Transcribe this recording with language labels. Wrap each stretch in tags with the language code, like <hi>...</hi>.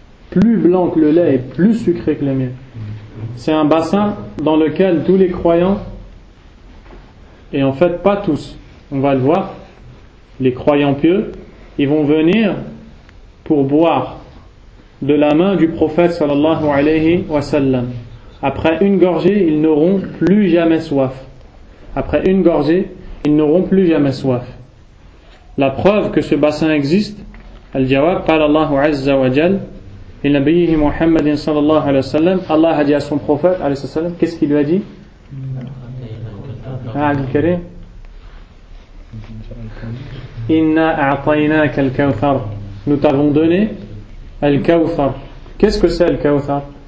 <fr>Plus blanc que le lait et plus sucré que le miel. C'est un bassin dans lequel tous les croyants, et en fait pas tous, on va le voir, les croyants pieux, ils vont venir pour boire de la main du prophète</fr> <ar>sallallahu alayhi wa sallam.</ar> <fr>Après une gorgée, ils n'auront plus jamais soif. Après une gorgée, ils n'auront plus jamais soif. La preuve que ce bassin existe,</fr> <ar>Al-Jawab, قال الله عز وجل لنبيه محمد صلى الله عليه وسلم.</ar> <fr>Allah a dit à son prophète</fr> <ar>عليه السلام,</ar> <fr>qu'est-ce qu'il lui a dit?</fr> <ar>Al-Karim, Inna a'tainaka al-kawthar.</ar> <fr>Nous t'avons donné al-kawthar. Qu'est-ce que c'est al-kawthar?</fr>